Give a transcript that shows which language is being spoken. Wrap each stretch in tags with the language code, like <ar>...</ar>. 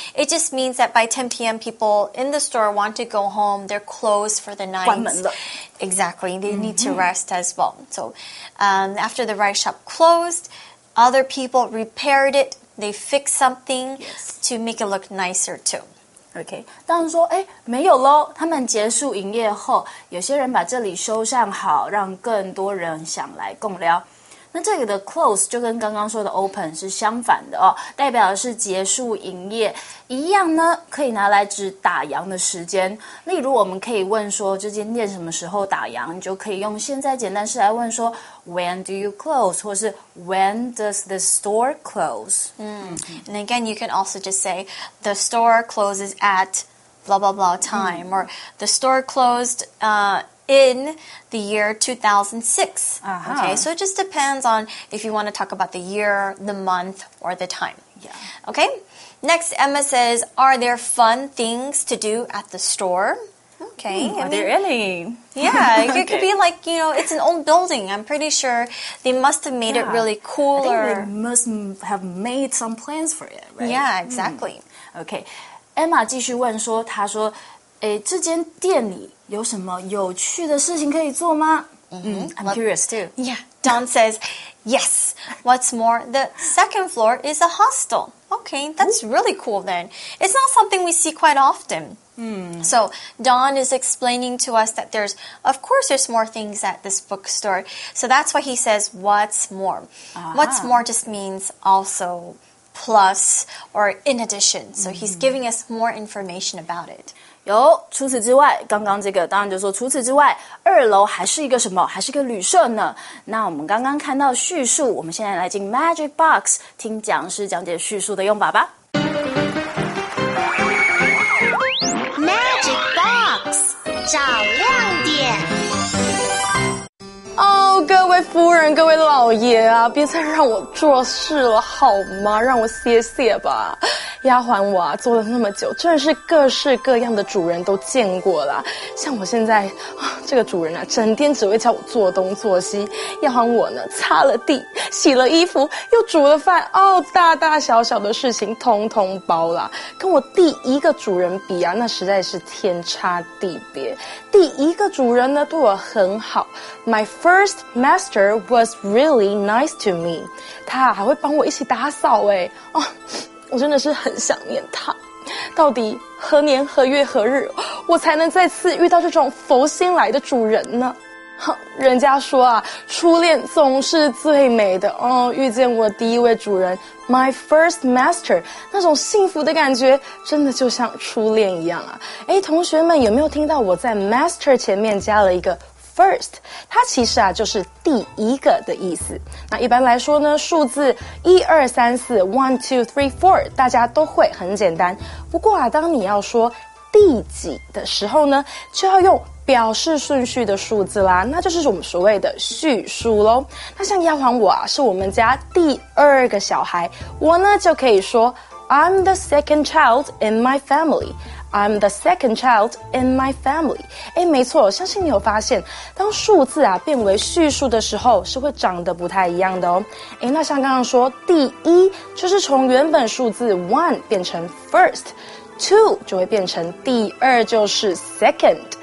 <en>It just means that by 10 p.m., people in the store want to go home. They're closed for the night.</en> <zh>关门了.</zh> <en>Exactly. They need to rest as well. So, after the rice shop closed, other people repaired it. They fixed something to make it look nicer too.</en> <zh>OK， 但是说，哎，没有咯，他们结束营业后，有些人把这里修缮好，让更多人想来共聊。那这里的 close 就跟刚刚说的 open 是相反的哦，代表的是结束营业。一样呢，可以拿来指打烊的时间。例如，我们可以问说这间店什么时候打烊，你就可以用现在简单式来问说 when do you close，或是 when does the store close？</zh> <en>And again, you can also just say the store closes at blah blah blah time, or the store closed in the year 2006. Uh-huh. Okay, so it just depends on if you want to talk about the year, the month, or the time. Yeah. Okay, next Emma says, are there fun things to do at the store? Okay. Are there any? Yeah, it could be like, you know, it's an old building. I'm pretty sure they must have made it really cool. I think they must have made some plans for it, right? Yeah, exactly.</en> <zh>Okay, Emma 继续问说，她说，诶，这间店里有什么有趣的事情可以做吗？</zh> <en>I'm curious too. Yeah, Don says, yes. What's more, the second floor is a hostel. Okay, that's really cool then. It's not something we see quite often. So, Don is explaining to us that there's, of course, there's more things at this bookstore. So that's why he says, what's more. What's more just means also... plus or in addition. So he's giving us more information about it.</en> <zh>有除此之外，刚刚这个当然就说除此之外，二楼还是一个什么？还是个旅社呢？那我们刚刚看到叙述，我们现在来进 Magic Box 听讲师讲解叙述的用法吧。 Magic Box 找亮点。各位夫人，各位老爷啊，别再让我做事了好吗？让我歇歇吧。丫鬟我啊，做了那么久，真的是各式各样的主人都见过了。像我现在这个主人啊，整天只会叫我做东做西。丫鬟我呢，擦了地，洗了衣服，又煮了饭，哦，大大小小的事情通通包了。跟我第一个主人比啊，那实在是天差地别。第一个主人呢，对我很好。</zh> <en>My first master was really nice to me.</en> <zh>他还会帮我一起打扫哎，哦。我真的是很想念他，到底何年何月何日，我才能再次遇到这种佛心来的主人呢？哼，人家说啊，初恋总是最美的哦。遇见我第一位主人 ， my first master，那种幸福的感觉，真的就像初恋一样啊！哎，同学们有没有听到我在 master 前面加了一个？ First， 它其实啊就是第一个的意思。那一般来说呢，数字一二三四 ， one two three four，大家都会很简单。不过啊，当你要说第几的时候呢，就要用表示顺序的数字啦，那就是我们所谓的序数喽。那像丫鬟我啊，是我们家第二个小孩，我呢就可以说 I'm the second child in my family。</zh> <en>I'm the second child in my family.</en> <zh>诶，没错，相信你有发现，当数字啊变为序数的时候，是会长得不太一样的哦。诶，那像刚刚说，第一就是从原本数字 one 变成 first，two 就会变成第二，就是 second。</zh>